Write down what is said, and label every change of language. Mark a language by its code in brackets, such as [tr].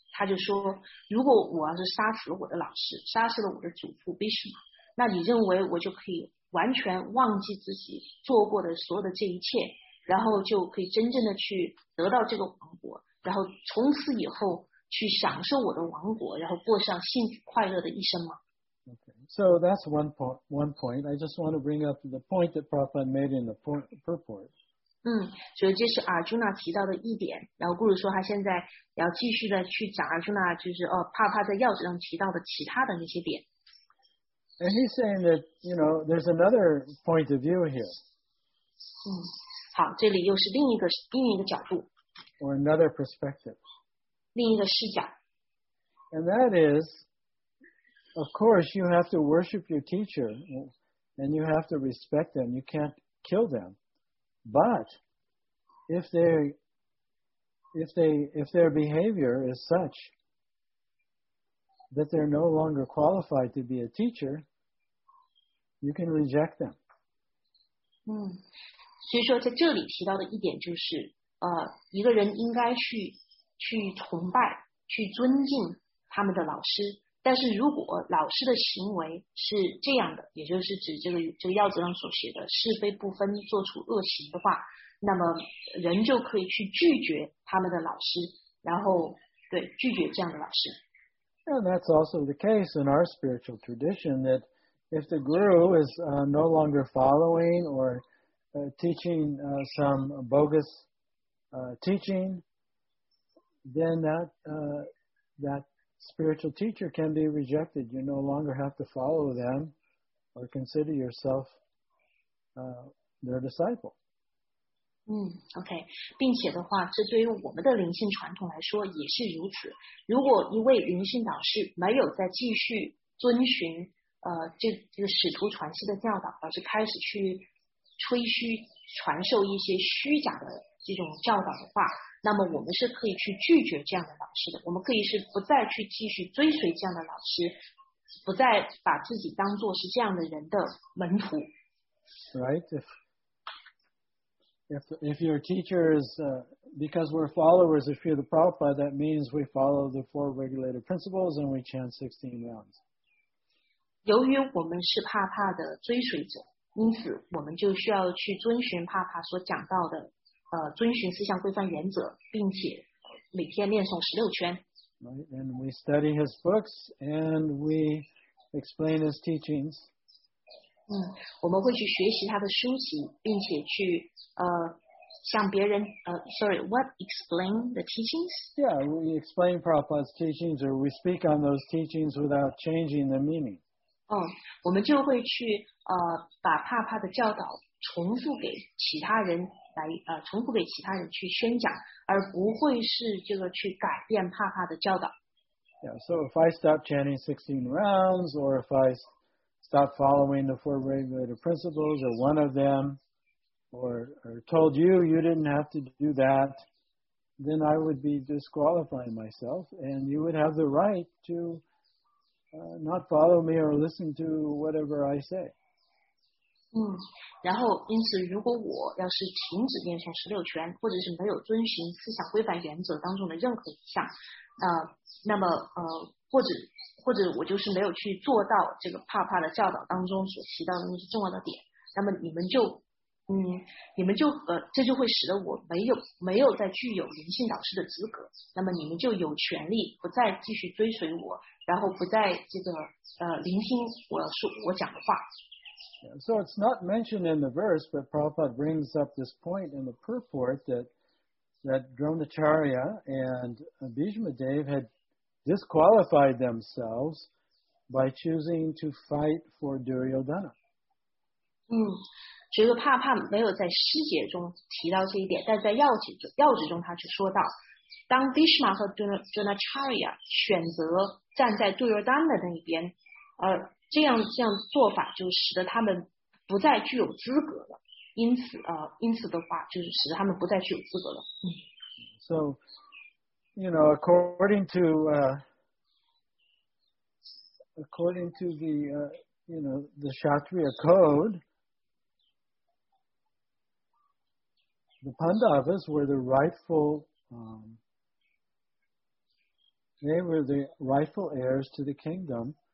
[zh] 他就说，如果我要是杀死了我的老师，杀死了我的祖父 Bhishma, 那你认为我就可以完全忘记自己做过的所有的这一切，然后就可以真正的去得到这个王国，然后从此以后去享受我的王国，然后过上幸福快乐的一生吗？ [en] Okay, so that's one point. I just want to bring up the point that Prabhupada made in the purport. [zh] 所以这是 Arjuna 提到的一点，然后 Guru 说他现在要继续的去讲 Arjuna 就是Prabhupada 在要旨上提到的其他的那些点。 [en] And he's saying that, you know, there's another point of view here. [zh] 好，这里又是另一个角度。 [en] Or another perspective. [zh] 另一个视角。 [en] And that is, of course, you have to worship your teacher, and you have to respect them. You can't kill them. But if their behavior is such that they're no longer qualified to be a teacher,You can reject them. [zh] 所以说在这里提到的一点就是一个人应该去崇拜去尊敬他们的老师，但是如果老师的行为是这样的，也就是指这个要旨上所写的是非不分做出恶行的话，那么人就可以去拒绝他们的老师，然后对拒绝这样的老师。 [en] And that's also the case in our spiritual tradition thatIf the guru is no longer following or teaching some bogus teaching, then that spiritual teacher can be rejected. You no longer have to follow them or consider yourself their disciple. Okay. [zh] 并且的话，这对于我们的灵性传统来说也是如此。如果一位灵性导师没有再继续遵循这个使徒传习的教导，而是开始去吹嘘传授一些虚假的这种教导的话，那么我们是可以去拒绝这样的老师的，我们可以是不再去继续追随这样的老师，不再把自己当作是这样的人的门徒。 [en] Right, if your teacher is because we're followers of Srila Prabhupada, that means we follow the four regulated principles and we chant 16 rounds. [zh] 由于我们是帕帕的追随者，因此我们就需要去遵循帕帕所讲到的遵循四项规范原则，并且每天念诵十六圈。 [en] Right, and we study his books and we explain his teachings. [zh] 我们会去学习他的书籍，并且去向别人 [en] explain the teachings? Yeah, we explain Prabhupada's teachings or we speak on those teachings without changing the meaning. [zh] 我们就会去把帕帕的教导重复给其他人来重复给其他人去宣讲，而不会是这个去改变帕帕的教导。 [en] Yeah, so if I stop chanting 16 rounds or if I stop stop following the four regulative principles or one of them, or told you you didn't have to do that, then I would be disqualifying myself, and you would have the right to not follow me or listen to whatever I say. [zh] 然后因此如果我要是停止念诵十六圈或者是没有遵循思想规范原则当中的任何一项那么或者我就是没有去做到这个帕帕的教导当中所提到的那些重要的点那么你们就这就会使得我没有再具有灵性导师的资格那么你们就有权利不再继续追随我然后不再这个聆听我讲的话 [en] So it's not mentioned in the verse, but Prabhupada brings up this point in the purport that Dronacharya and Bhishma Dev had disqualified themselves by choosing to fight for Duryodhana. [zh] 觉得帕帕没有在细节中提到这一点，但在要旨中他却说到，当 Bhishma 和 Dronacharya 选择站在 Duryodhana 的那一边，这样做法就使得他们不再具有资格了。因此的话，就是使得他们不再具有资格了。 [en] So, you know, according to the Kshatriya code, the Pandavas were the rightful, they were the rightful heirs to the kingdom.